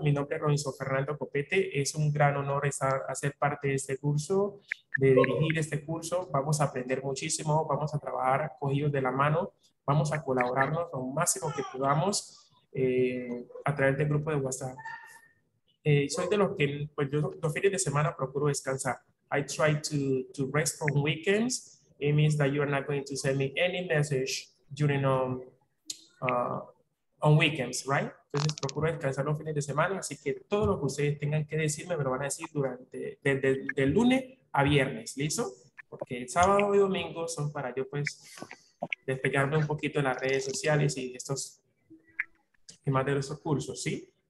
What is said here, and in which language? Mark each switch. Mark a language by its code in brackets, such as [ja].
[es] Mi nombre es Robinson Fernando Copete. Es un gran honor hacer parte de este curso, de dirigir este curso. Vamos a aprender muchísimo, vamos a trabajar cogidos de la mano, vamos a colaborarnos lo máximo que podamos a través del grupo de WhatsApp. Soy de los que, pues yo los fines de semana procuro descansar. [en] I try to rest on weekends. It means that you are not going to send me any message during on weekends, right? [es] Entonces, procuro descansar los fines de semana, así que todo lo que ustedes tengan que decirme me lo van a decir durante, de lunes a viernes, ¿listo? Porque el sábado y domingo son para yo, pues, despegarme un poquito de las redes sociales y estos, y más de esos cursos, ¿sí?